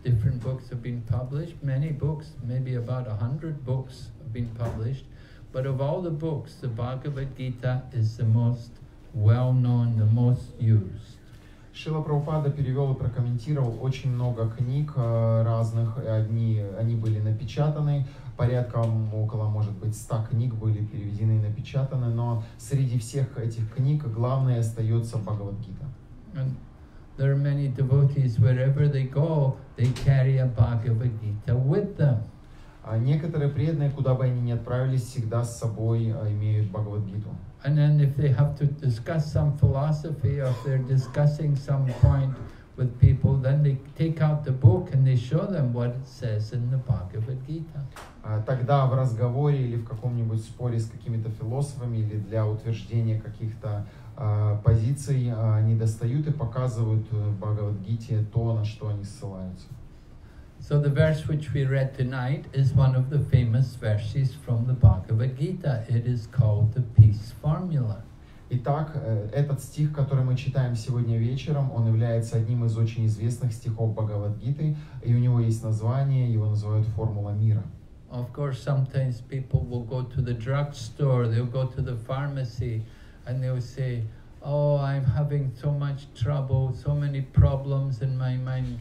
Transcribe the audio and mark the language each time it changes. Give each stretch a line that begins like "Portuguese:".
English: Different books have been published, many books, maybe about 100 books have been published. But of all the books, the Bhagavad-gita is the most well-known, the most used.
Russian: Шрила Прабхупада перевел и прокомментировал очень много книг разных. Они были напечатаны, порядком около, может быть, 100 книг были переведены и напечатаны, но среди всех этих книг главное остается Бхагавад-гита.
English: There are many devotees, wherever they go, they carry a Bhagavad Gita with them.
Russian: Некоторые преданные, куда бы они ни отправились, всегда с собой имеют Бхагавад-гиту.
English: And then if they have to discuss some philosophy, or if they're discussing some point with people, then they take out the book and they show them what it says in the Bhagavad Gita.
Russian: Тогда в разговоре или в каком-нибудь споре с какими-то философами или для утверждения каких-то позиций они достают и показывают Бхагавад-гите то, на что они ссылаются.
English: So the verse which we read tonight is one of the famous verses from the Bhagavad Gita. It is called the Peace Formula.
Russian: Итак, этот стих, который мы читаем сегодня вечером, он является одним из очень известных стихов Бхагавад-гиты, и у него есть название, его называют формула мира.
English: Of course, sometimes people will go to the drugstore, they'll go to the pharmacy, and they'll say, oh, I'm having so much trouble, so many problems in my mind.